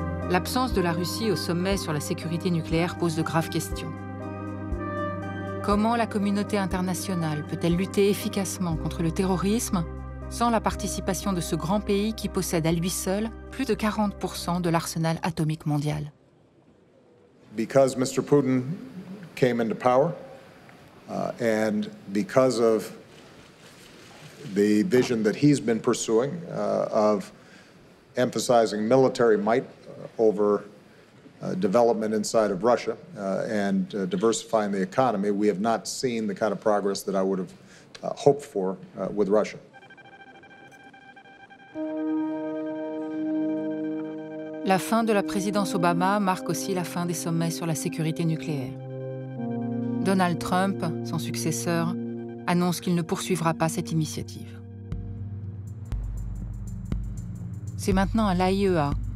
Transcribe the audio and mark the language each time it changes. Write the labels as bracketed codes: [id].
[fr] L'absence de la Russie au sommet sur la sécurité nucléaire pose de graves questions. Comment la communauté internationale peut-elle lutter efficacement contre le terrorisme sans la participation de ce grand pays qui possède à lui seul plus de 40% de l'arsenal atomique mondial? [en] Because Mr. Putin came into power and because of the vision that he's been pursuing of emphasizing military might over development inside of Russia and diversifying the economy, we have not seen the kind of progress that I would have hoped for with Russia. [fr] La fin de la présidence Obama marque aussi la fin des sommets sur la sécurité nucléaire. Donald Trump, son successeur, annonce qu'il ne poursuivra pas cette initiative. C'est maintenant à l'AIEA,